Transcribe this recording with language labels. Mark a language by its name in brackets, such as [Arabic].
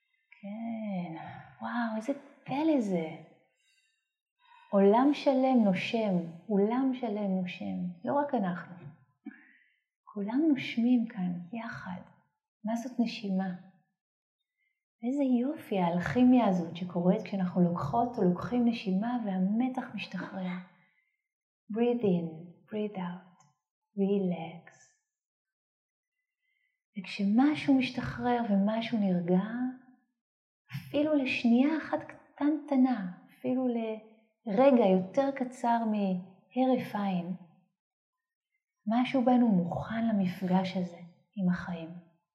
[Hebrew] כן, וואו, איזה פלא זה. עולם שלם נושם, עולם שלם נושם. לא רק אנחנו. כולם נושמים כאן יחד. מה זאת נשימה? איזה יופי, האלכימיה הזאת שקורית כשאנחנו לוקחות או לוקחים נשימה והמתח משתחרר. [English] Breathe in, breathe out, relax. [Hebrew] וכשמשהו משתחרר ומשהו נרגע, אפילו לשנייה אחת קטנטנה, אפילו לרגע יותר קצר מהרף עין, משהו בנו מוכן למפגש הזה עם החיים.